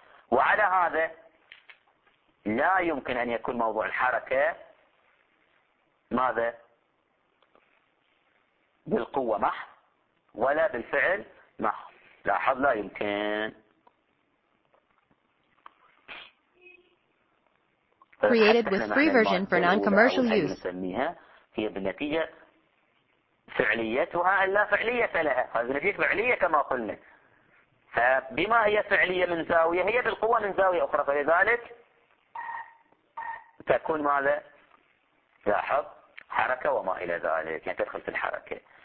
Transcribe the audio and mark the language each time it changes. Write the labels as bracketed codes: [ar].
[ar] وعلى هذا لا يمكن أن يكون موضوع الحركة ماذا بالقوة مح ولا بالفعل مح، لاحظ لا يمكن [en] created with free version for non-commercial use [ar] نسميها هي بالنتيجة فعليتها لا فعلية لها، هذه نتيجة فعلية كما قلنا، فبما هي فعلية من زاوية هي بالقوة من زاوية أخرى، فلذلك تكون ماذا لاحظ حركة وما إلى ذلك، يعني تدخل في الحركة.